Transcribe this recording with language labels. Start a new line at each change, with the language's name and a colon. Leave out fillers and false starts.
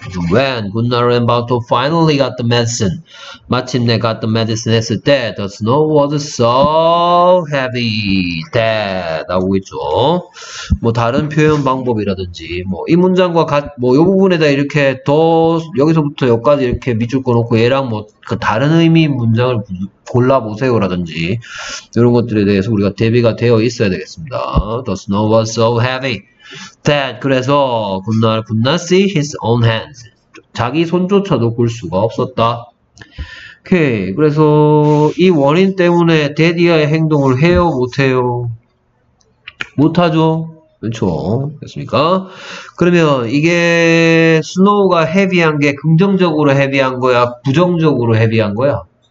English: When Gunnar and Balto finally got the medicine.
Korean: 마침내
English: got the medicine
Korean: 했을 때
English: the snow was so heavy that
Korean: 나오고 있죠. 뭐 다른 표현 방법이라든지 뭐 이 문장과 뭐 이 부분에다 이렇게 더 여기서부터 여기까지 이렇게 밑줄 꺼놓고 얘랑 뭐 그 다른 의미 문장을 골라보세요 라든지 이런 것들에 대해서 우리가 대비가 되어 있어야 되겠습니다.
English: The snow was so heavy that
Korean: 그래서
English: could not see his own hands.
Korean: 자기 손조차도 볼 수가 없었다. 오케이. 그래서 이 원인 때문에 데디아의 행동을 해요 못해요? 못하죠. 그렇죠. 됐습니까? 그러면 이게 스노우가 헤비한 게 긍정적으로 헤비한 거야 부정적으로 헤비한 거야?